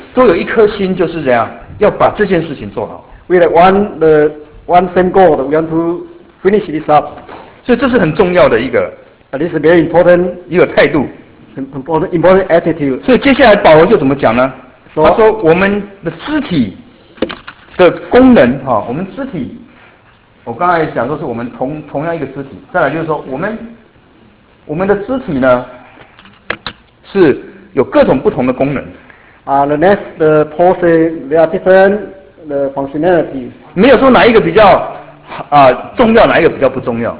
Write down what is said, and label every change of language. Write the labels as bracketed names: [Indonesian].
[Chinese] 都有一颗心，就是这样，要把这件事情做好。 [English] We had one same goal. We want to finish this up. [Chinese] 所以这是很重要的一个。 [English] This is very important. [Chinese] 一个态度。 [English] Important attitude. [Chinese] 所以接下来保罗就怎么讲呢？So, 他说我们的肢体的功能哈、哦，我们肢体，我刚才讲说是我们同样一个肢体，再来就是说我们的肢体呢是有各种不同的功能。 [English] The next the pose they are different the functionality. [Chinese] 没有说哪一个比较重要，哪一个比较不重要。